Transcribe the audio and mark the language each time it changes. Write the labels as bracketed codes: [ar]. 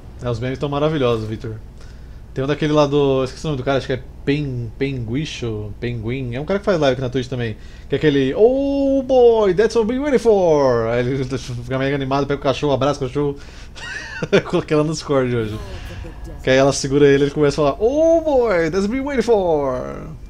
[pt] Os memes estão maravilhosos, Victor. Tem um daquele lá do. Esqueci o nome do cara, acho que é Penguicho. Penguin. É um cara que faz live aqui na Twitch também. Que é aquele. [en] Oh boy, that's what I've been waiting for! [pt] Aí ele fica meio animado, pega o cachorro, abraça o cachorro. Coloquei ela no Discord hoje. Que aí ela segura ele e ele começa a falar: [en] Oh boy, that's what I've been waiting for!